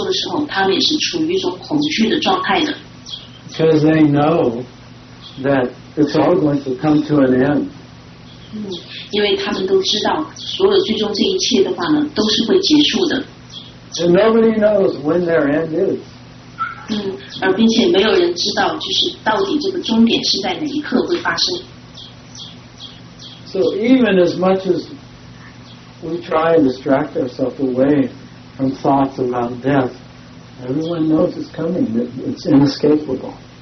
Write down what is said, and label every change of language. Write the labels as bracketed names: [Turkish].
[Chinese] 但是实际上在大多数时候,即使在人们在享受的时候,他们也是处于一种恐惧的状态的。 [English] Because they know that it's all going to come to an end. [Chinese] 因为他们都知道所有最终这一切的话呢都是会结束的 [English] And nobody knows when their end is [Chinese] 并且没有人知道就是到底这个终点是在哪一刻会发生 [English] So even as much as we try and distract ourselves away from thoughts about death everyone knows it's coming it's inescapable